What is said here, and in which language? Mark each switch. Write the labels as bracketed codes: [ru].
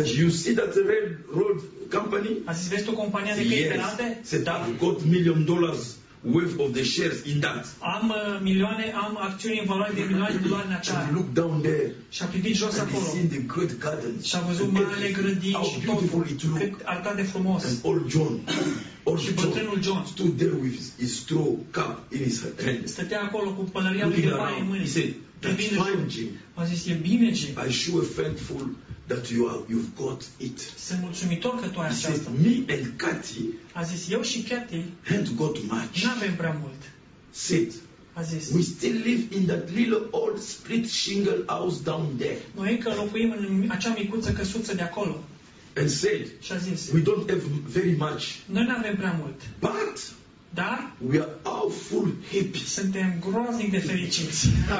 [en] He said, you see that red road company? [ro] A zis, vezi tu compania de căi ferate? [en] Yes. He said, I've got $1 million worth of the shares in that. [ro] Am milioane, am acțiuni în valoare de milioane de dolari în acea. [en] And look down there. [ro] Și a privit jos acolo. [en] And he seen the good gardens. [ro] Și a văzut marele grădini și tot. [en] How beautiful it looked. [ro] Cât arată de frumos. [en] And old John. [ro] Și bătrânul John [en] stood there with his straw cap in his hand. [ro] Stătea acolo cu pălăria lui de paie în mână. [en] He said, that's fine, Jim. [ro] A zis, e bine, Jim. [en] I sure thankful that you've got it. [ro] Sunt mulțumitor că tu ai aceasta. [en] He said, me and Cathy. [ro] A zis, eu și Cathy. [en] Haven't got much. [ro] N-avem prea mult. [en] Said. [ro] A zis, [en] we still live in that little old split shingle house down there. [ro] Noi încă locuim în acea micuță căsuță de acolo. [en] And said, [ro] și a zis, [en] we don't have very much. [ro] Noi n-avem prea mult. [en] But, [ro] dar, [en] we are all full happy. [ro] Suntem groaznic de fericiți.